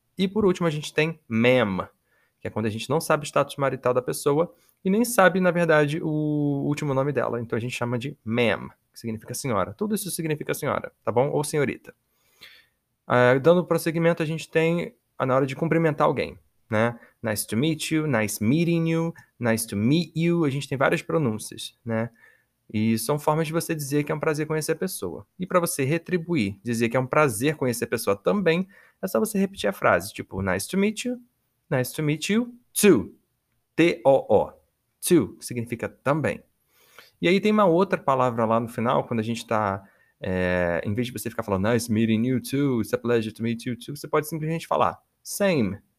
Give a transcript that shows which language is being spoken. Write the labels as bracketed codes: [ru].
[pt] E por último, a gente tem ma'am, que é quando a gente não sabe o status marital da pessoa e nem sabe, na verdade, o último nome dela. Então a gente chama de ma'am, que significa senhora. Tudo isso significa senhora, tá bom? Ou senhorita. Dando prosseguimento, a gente tem na hora de cumprimentar alguém, né? [en] Nice to meet you, nice meeting you, nice to meet you. [pt] A gente tem várias pronúncias, né? E são formas de você dizer que é um prazer conhecer a pessoa. E para você retribuir, dizer que é um prazer conhecer a pessoa também, é só você repetir a frase, tipo, [en] nice to meet you, too. [pt] T-O-O. Too, significa também. E aí tem uma outra palavra lá no final, quando a gente está, em vez de você ficar falando, [en] nice meeting you, too, [pt] it's a pleasure to meet you, too, você pode simplesmente falar, same.